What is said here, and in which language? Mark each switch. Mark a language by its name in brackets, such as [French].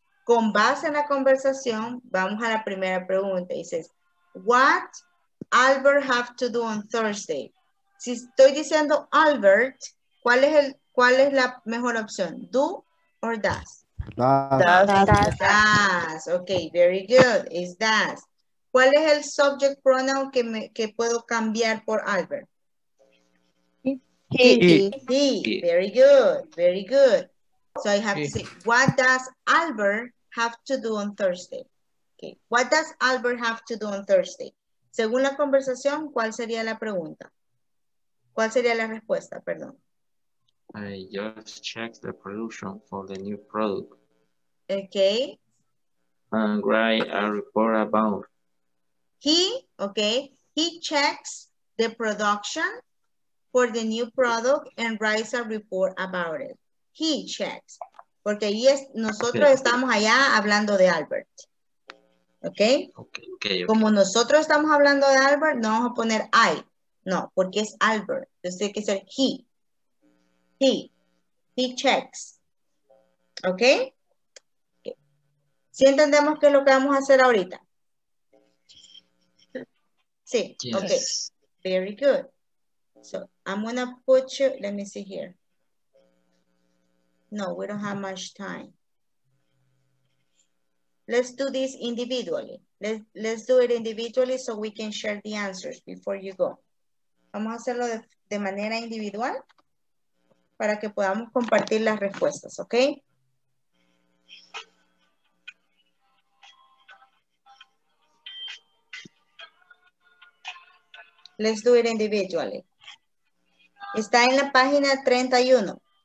[Spanish] Con base en la conversación, vamos a la primera pregunta. [English] It says, what Albert have to do on Thursday? [Spanish] Si estoy diciendo Albert, ¿cuál es la mejor opción? [English] Do or does? Does. Okay, very good. It's does. [Spanish] ¿Cuál es el subject pronoun que puedo cambiar por Albert? [English] He. Very good. Very good. So I have to say, what does Albert have to do on Thursday? Okay. What does Albert have to do on Thursday? [Spanish] Según la conversación, ¿cuál sería la pregunta? ¿Cuál sería la respuesta? Perdón. [English] I just checked the production for the new product. Okay. And write a report about. He checks the production for the new product and writes a report about it. He checks. [Spanish] Porque ahí es, nosotros estamos allá hablando de Albert. [English] Okay? Okay. [Spanish] Como nosotros estamos hablando de Albert, no vamos a poner I. No, porque es Albert. Entonces tiene que ser he. [English] He checks. Okay? [Spanish] ¿Sí entendemos qué es lo que vamos a hacer ahorita? Sí. [English] Yes. Okay. Very good. So I'm going to put you, let me see here. No, we don't have much time. Let's do this individually. Let's do it individually so we can share the answers before you go. [Spanish] Vamos a hacerlo de manera individual para que podamos compartir las respuestas, ¿ok? [English] Let's do it individually. [Spanish] Está en la página 31.